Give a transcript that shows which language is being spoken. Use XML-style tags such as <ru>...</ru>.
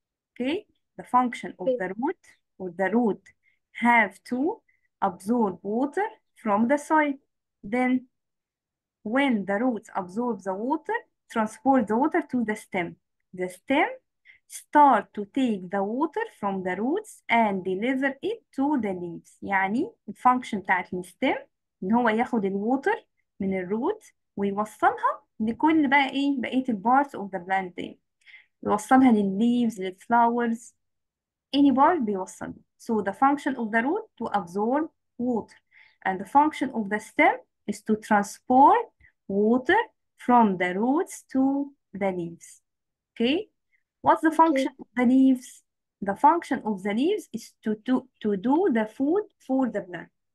<en>Okay, the function of the root, or the root have to absorb water from the soil. Then when the roots absorb the water, transport the water to the stem. The stem start to take the water from the roots and deliver it to the leaves.</en> <ar>يعني الفانكشن بتاعت الستيم ان هو ياخد الووتر من الروت ويوصلها لكل بقى ايه بقية البارتس اوف ذا بلانت، يوصلها للليفز للفلاورز، اني بارت بيوصلها.</ar> <en>So the function of the root to absorb water and the function of the stem is to transport water from the roots to the leaves. Okay. What's the okay. function of the leaves? The function of the leaves is to do the food for the plant.</en>